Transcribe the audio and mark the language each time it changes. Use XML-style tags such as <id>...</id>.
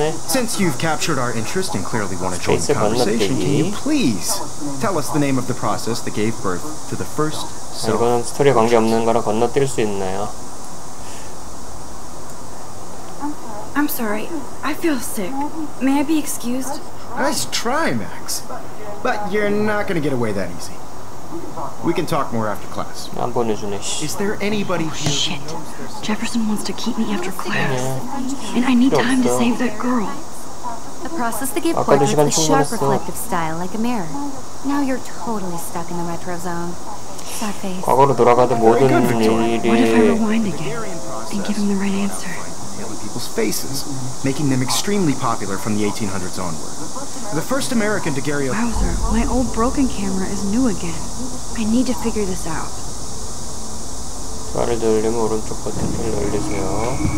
<en>Since you've captured our interest and clearly want to join the conversation, can you please tell us the name of the process that gave birth to the first?</en> <ko>이거는 스토리에 관계 없는 거라 건너뛸 수 있나요?</ko> <en>I'm sorry. I feel sick. May I be excused? Nice try, Max. But you're not gonna get away that easy. We can talk more after class. Is there anybody here? Oh, shit. Jefferson wants to keep me after class. Yeah. And I need time to save that girl. The process that gave birth to the sharp reflective style like a mirror. Now you're totally stuck in the retro zone. Sad face.</en> <ko>과거로 돌아가도 모든 일이...</ko> <en>What if I rewind again and give him the right answer? People's faces, making them extremely popular from the 1800s onward. The first American daguerreo... Bowser, my old broken camera is new again. I need to figure this out.</en> <ko>좌를 돌리면 오른쪽 버튼을 돌리세요.</ko>